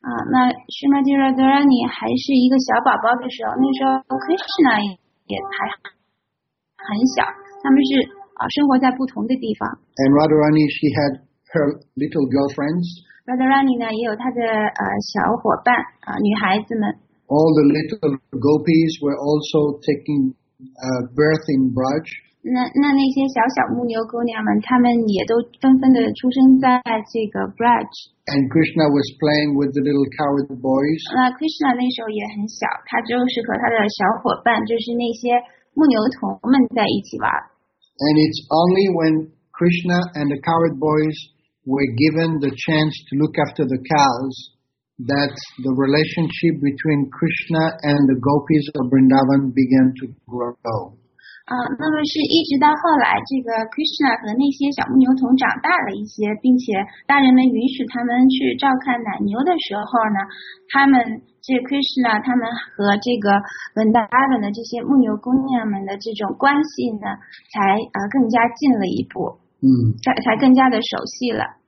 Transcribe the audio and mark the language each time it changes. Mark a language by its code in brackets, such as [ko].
[zh] 那 Srimati Radharani 还是一个小宝宝的时候，那时候 Krishna 也还很小，他们是生活在不同的地方。 [en] And Radharani, she had her little girlfriends. [zh] Radharani 呢也有她的小伙伴女孩子们。 [en] All the little gopis were also taking birth in Braj. [zh] 那些小小牧牛姑娘们，她们也都纷纷的出生在这个 Braj。 [en] And Krishna was playing with the little coward boys. [zh] 那 Krishna 那时候也很小，他就是和他的小伙伴，就是那些牧牛童们在一起玩。 [en] And it's only when Krishna and the coward boys were given the chance to look after the cows that the relationship between Krishna and the gopis of Vrindavan began to grow. [zh] 那么是一直到后来，这个 Krishna 和那些小牧牛童长大了一些，并且大人们允许他们去照看奶牛的时候呢，他们这 Krishna 他们和这个 Vrindavan 的这些牧牛姑娘们的这种关系呢，才更加近了一步，才更加的熟悉了。